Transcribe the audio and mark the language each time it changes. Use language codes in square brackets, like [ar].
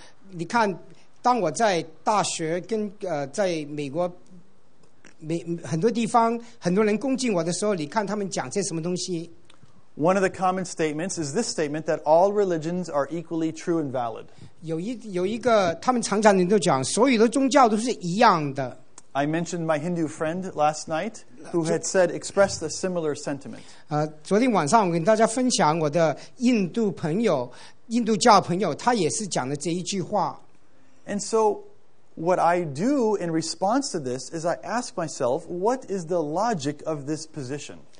[zh] 你看 当我在大学跟在美国很多地方很多人攻击我的时候，你看他们讲些什么东西。 [en] One of the common statements is this statement that all religions are equally true and valid. [zh] 有一个他们常常人都讲，所有的宗教都是一样的。 [en] I mentioned my Hindu friend last night who had said expressed a similar sentiment. [zh] 昨天晚上我跟大家分享我的印度朋友，印度教朋友，他也是讲的这一句话。 [en] And so what I do in response to this is I ask myself, what is the logic of this position?